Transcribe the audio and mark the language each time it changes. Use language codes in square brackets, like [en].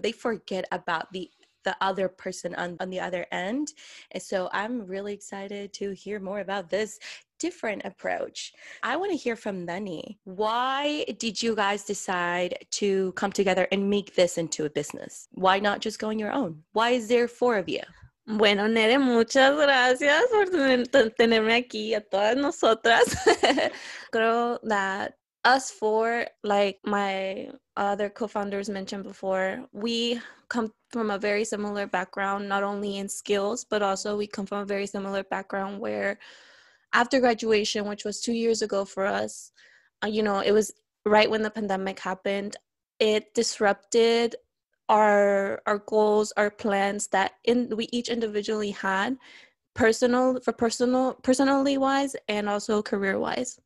[en] They forget about the other person on the other end. And so I'm really excited to hear more about this different approach. I want to hear from Nani. Why did you guys decide to come together and make this into a business? Why not just go on your own? Why is there four of you? [es] Bueno, Nere, muchas gracias por tenerme aquí a todas nosotras. Creo [en] that us four, like my other co-founders mentioned before, we come from a very similar background, not only in skills, but also we come from a very similar background where after graduation, which was 2 years ago for us, you know, it was right when the pandemic happened, it disrupted our goals, our plans that we each individually had, personally wise and also career wise.